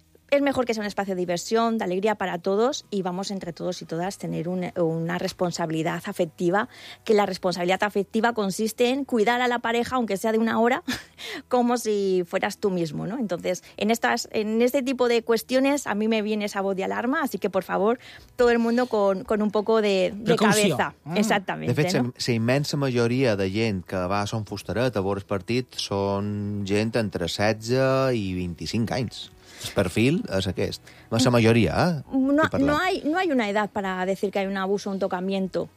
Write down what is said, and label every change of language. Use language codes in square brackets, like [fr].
[es] es mejor que sea un espacio de diversión, de alegría para todos, y vamos entre todos y todas a tener una responsabilidad afectiva, que la responsabilidad afectiva consiste en cuidar a la pareja, aunque sea de una hora, como si fueras tú mismo, ¿no? Entonces, en este tipo de cuestiones a mí me viene esa voz de alarma, así que, por favor, todo el mundo con un poco de cabeza. Exactamente. [ca] De fet, ¿no? La immensa majoria de gent que va a Son Fusteret a veure el partit són gent entre 16 i 25 anys. El perfil és aquest. La majoria, ¿eh? [es] No hay una edad para decir que hay un abuso, un tocamiento.